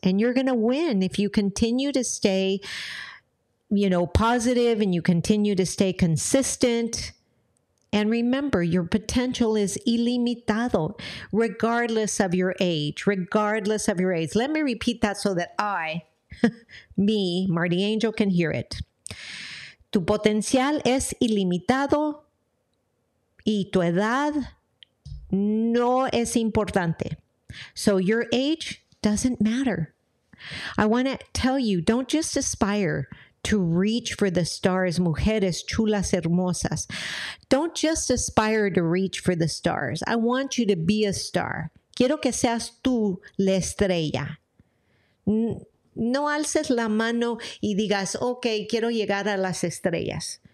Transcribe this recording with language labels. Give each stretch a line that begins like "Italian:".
English: And you're going to win if you continue to stay, you know, positive, and you continue to stay consistent. And remember, your potential is ilimitado, regardless of your age, regardless of your age. Let me repeat that so that I, me, Marty Angel, can hear it.
Spanish: Tu potencial es ilimitado y tu edad no es importante.
English: So your age doesn't matter. I want to tell you, don't just aspire to reach for the stars,
Spanish: mujeres chulas hermosas.
English: Don't just aspire to reach for the stars. I want you to be a star.
Spanish: Quiero que seas tú la estrella. No alces la mano y digas, okay, quiero llegar a las estrellas.